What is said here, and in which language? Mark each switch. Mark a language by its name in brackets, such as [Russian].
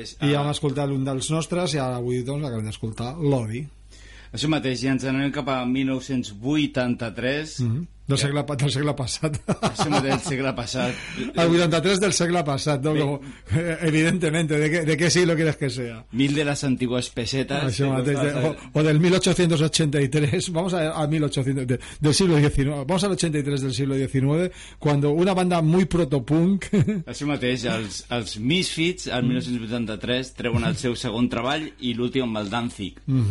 [Catalan] I hem escoltat un dels nostres i ara avui, doncs, acabem d'escoltar l'Odi. Això mateix, i ens anem cap a 1983. Del segle, ja. Del segle passat. Això mateix, del segle passat. El 83 del segle passat, no? Sí. Evidentment, de què sí, [Spanish] lo quieres que sea. [Catalan] Mil de les antigues pesetes. Això mateix, de, o del [Spanish] 1883, vamos al 1800, del siglo XIX, vamos al 83 del siglo XIX, cuando una banda muy protopunk... [Catalan] Això mateix, els Misfits, al 1983, treuen el seu segon treball i l'últim amb el Danzig.